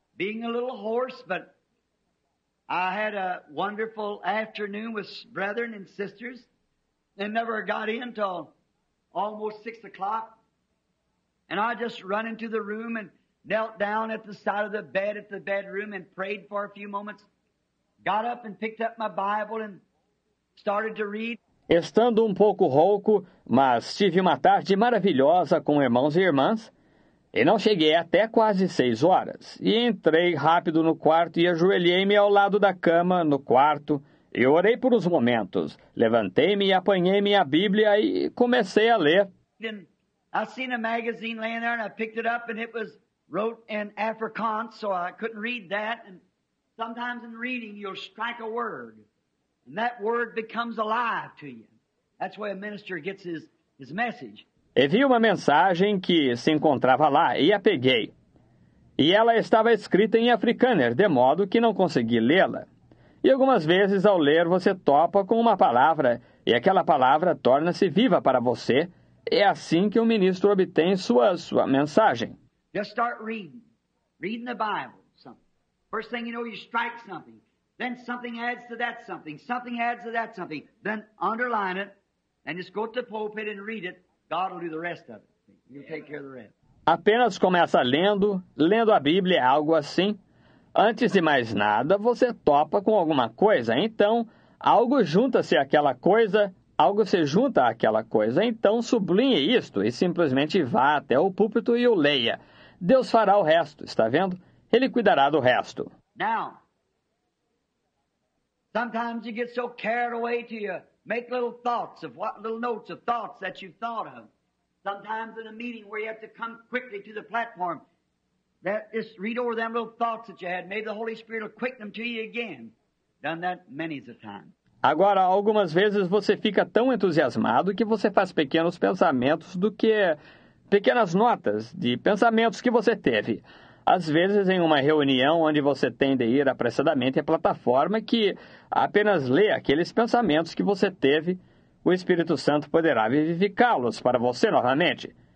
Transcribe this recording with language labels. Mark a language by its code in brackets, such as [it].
[en] Being a little hoarse, but I had a wonderful afternoon with brethren and sisters, and never got in till almost 6 o'clock. And I just run into the room and knelt down at the side of the bed at the bedroom and prayed for a few moments. Got up and picked up my Bible and started to read. [pt] Estando um pouco rouco, mas tive uma tarde maravilhosa com irmãos e irmãs, e não cheguei até quase 6 horas. E entrei rápido no quarto e ajoelhei-me ao lado da cama, no quarto, e orei por uns momentos. Levantei-me e apanhei minha Bíblia e comecei a ler. [en] And I seen a magazine laying there and I picked it up and it was wrote in Afrikaans, so I couldn't read that. And sometimes in reading you'll strike a word. And that word becomes alive to you. That's where a minister gets his message. [pt] E vi uma mensagem que se encontrava lá e a peguei. E ela estava escrita em Afrikaner, de modo que não consegui lê-la. E algumas vezes ao ler você topa com uma palavra e aquela palavra torna-se viva para você. É assim que o ministro obtém sua mensagem. [en] Just start reading the Bible. Something. First thing you know, you strike something. Then something adds to that something. Something adds to that something. Then underline it and just go to the pulpit and read it. God will do the rest of it. You take care of the rest. [pt] Apenas começa lendo a Bíblia, algo assim. Antes de mais nada, você topa com alguma coisa. Então, algo junta-se àquela coisa, algo se junta àquela coisa. Então, sublinhe isto e simplesmente vá até o púlpito e o leia. Deus fará o resto, está vendo? Ele cuidará do resto. [en] Now, sometimes you get so carried away to you, make little thoughts of what little notes of thoughts that you've thought of. Sometimes in a meeting where you have to come quickly to the platform, that just read over them little thoughts that you had. Maybe the Holy Spirit will quicken them to you again. Done that many a time. [pt] Agora, algumas vezes você fica tão entusiasmado que você faz pequenos pensamentos do que pequenas notas de pensamentos que você teve. Às vezes, em uma reunião onde você tem de ir apressadamente à plataforma que apenas lê aqueles pensamentos que você teve, o Espírito Santo poderá vivificá-los para você novamente.